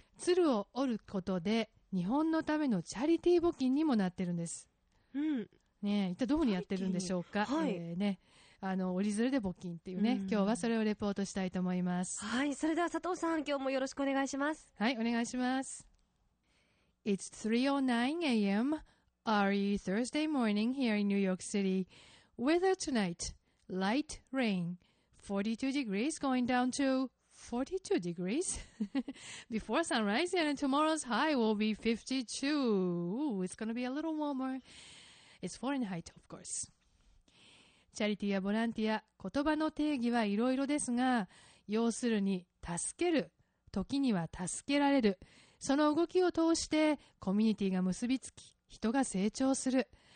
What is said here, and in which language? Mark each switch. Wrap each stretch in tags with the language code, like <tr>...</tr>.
<ja>鶴を折ることで日本のためのチャリティー募金にもなってるんです。うん。ね、一体どこにやってるんでしょうか。はい。ね。折り鶴で募金っていうね、うん、今日はそれをレポートしたいと思います。はい、それでは佐藤さん、今日もよろしくお願いします。はい、お願いします。</ja> <en>It's 3:09 a.m. Early Thursday morning here in New York City. Weather tonight: light rain, 42 degrees going down to 42 degrees before sunrise, and tomorrow's high will be 52. Ooh, it's gonna be a little warmer. It's Fahrenheit, of course</en> <ja>チャリティやボランティア、言葉の定義はいろいろですが、要するに助ける、時には助けられる。その動きを通してコミュニティが結びつき、人が成長する。</ja>